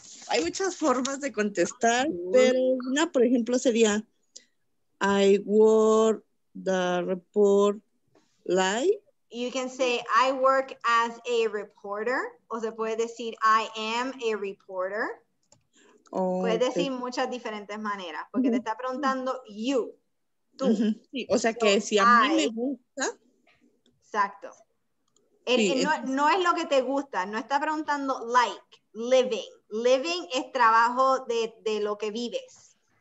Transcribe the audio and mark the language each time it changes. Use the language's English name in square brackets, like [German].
[Spanish] Hay muchas formas de contestar, pero una, por ejemplo, sería, [English] I work... The report lie. You can say I work as a reporter. [Spanish] O se puede decir [English] I am a reporter. [Spanish] Okay. Puede decir muchas diferentes maneras. Porque mm-hmm. te está preguntando you. Tú. Mm-hmm. Sí, o sea que so si a mí me gusta. Exacto. El, sí, no es lo que te gusta. No está preguntando like, living. Living es trabajo de lo que vives.